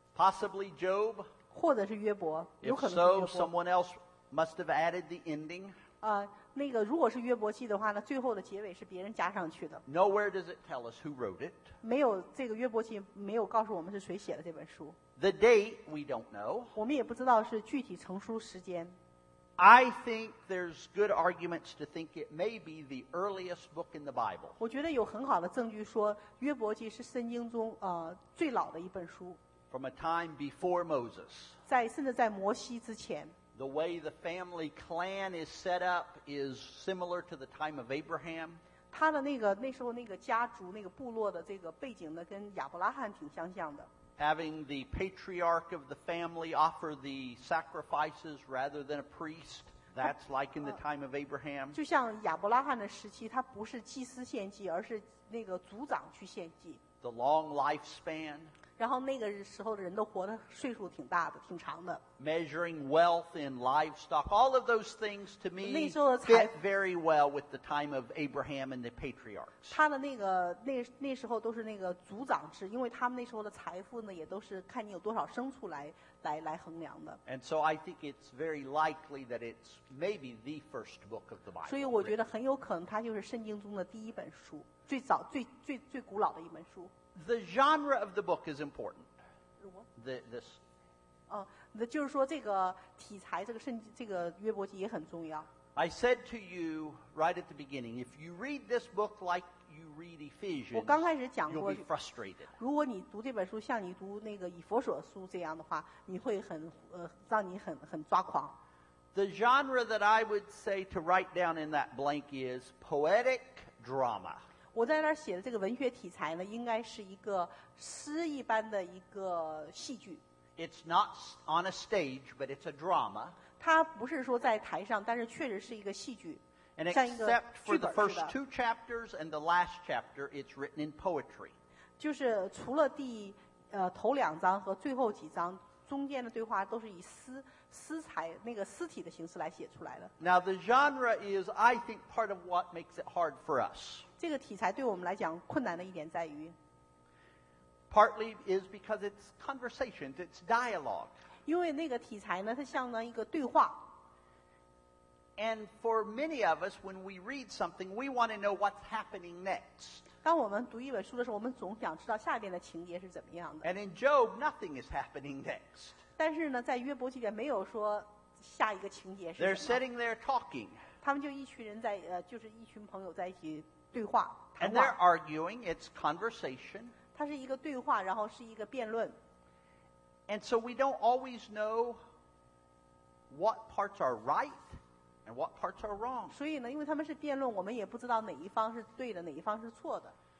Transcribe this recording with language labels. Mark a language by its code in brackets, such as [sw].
[en] Possibly Job. [zh] 或者是约伯 [en] If so, someone else must have added the ending. [zh] 那个如果是约伯记的话呢，最后的结尾是别人加上去的。 [en] Nowhere does it tell us who wrote it. [zh] 没有这个约伯记没有告诉我们是谁写的这本书。 [en] The date we don't know. [zh] 我们也不知道是具体成书时间。 [en] I think there's good arguments to think it may be the earliest book in the Bible. [zh] 我觉得有很好的证据说约伯记是圣经中最老的一本书。 [en] From a time before Moses. [zh] 在甚至在摩西之前。 [en] The way the family clan is set up is similar to the time of Abraham. [zh] 他的那时候那个家族那个部落的这个背景呢跟亚伯拉罕挺相像的。 [en] Having the patriarch of the family offer the sacrifices rather than a priest, that's like in the time of Abraham. [zh] 就像亚伯拉罕的时期他不是祭司献祭而是那个族长去献祭。 [en] The long lifespan. [zh] 然后那个时候的人都活的岁数挺大的挺长的 [en] measuring wealth in livestock all of those things to me fit very well with the time of Abraham and the patriarchs [zh] 他的那时候都是那个族长制因为他们那时候的财富呢也都是看你有多少牲畜来衡量的 [en] and so I think it's very likely that it's maybe the first book of the Bible [zh] 所以我觉得很有可能它就是圣经中的第一本书最早最古老的一本书 [en] The genre of the book is important. This. [zh] 就是说这个题材，这个约伯记也很重要。 [en] I said to you right at the beginning, if you read this book like you read Ephesians, [zh] 我刚开始讲过 [en] you'll be frustrated. [zh] 如果你读这本书像你读那个以弗所书这样的话，你会很让你很抓狂。 [en] The genre that I would say to write down in that blank is poetic drama. [zh] 我在那儿写的这个文学题材呢，应该是一个诗一般的一个戏剧。 [en] It's not on a stage, but it's a drama. [zh] 它不是说在台上，但是确实是一个戏剧。 [en] And except for the first two chapters and the last chapter, it's written in poetry. [zh] 就是除了头两章和最后几章，中间的对话都是以诗体的形式来写出来的。 [en] Now the genre is, I think, part of what makes it hard for us. [zh] 这个题材对我们来讲困难的一点在于 [en] partly is because it's conversations, it's dialogue. [zh] 因为那个题材呢，它相当于一个对话。 [en] And for many of us, when we read something, we want to know what's happening next. [zh] 当我们读一本书的时候，我们总想知道下边的情节是怎么样的。 [en] And in Job, nothing is happening next. [zh] 但是呢，在约伯记里没有说下一个情节是什么。 [en] They're sitting there talking. [zh] 他们就一群人在就是一群朋友在一起。对话, 谈话 [en] And they're arguing, it's conversation. [zh] 它是一个对话，然后是一个辩论。 [en] And so we don't always know what parts are right and what parts are wrong. [zh] 所以呢，因为他们是辩论，我们也不知道哪一方是对的，哪一方是错的。